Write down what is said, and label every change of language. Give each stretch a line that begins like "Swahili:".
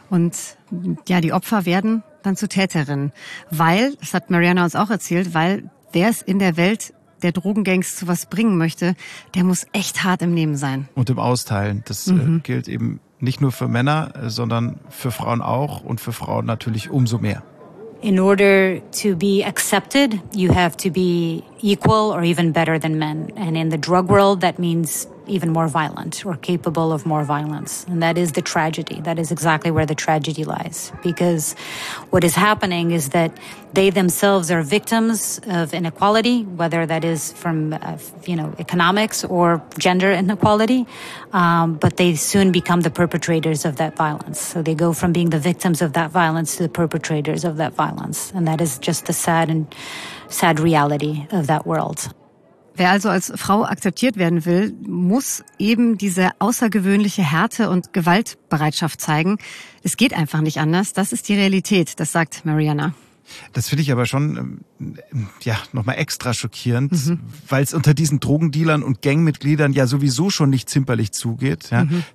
German: Und ja, die Opfer werden dann zu Täterinnen. Weil, das hat Mariana uns auch erzählt, weil der ist in der Welt, der Drogengangs zu was bringen möchte, der muss echt hart im Nehmen sein. Und im Austeilen. Das gilt eben nicht nur für Männer, sondern für Frauen auch und für Frauen natürlich umso mehr.
English: In order to be accepted, you have to be equal or even better than men. And in the drug world, that means even more violent or capable of more violence. And that is the tragedy. That is exactly where the tragedy lies. Because what is happening is that they themselves are victims of inequality, whether that is from, economics or gender inequality. But they soon become the perpetrators of that violence. So they go from being the victims of that violence to the perpetrators of that violence. And that is just the sad reality of that world.
German: Wer also als Frau akzeptiert werden will, muss eben diese außergewöhnliche Härte und Gewaltbereitschaft zeigen. Es geht einfach nicht anders. Das ist die Realität, das sagt Mariana. Das finde ich aber schon nochmal extra schockierend, weil es unter diesen Drogendealern und Gangmitgliedern ja sowieso schon nicht zimperlich zugeht. Ja? Mhm.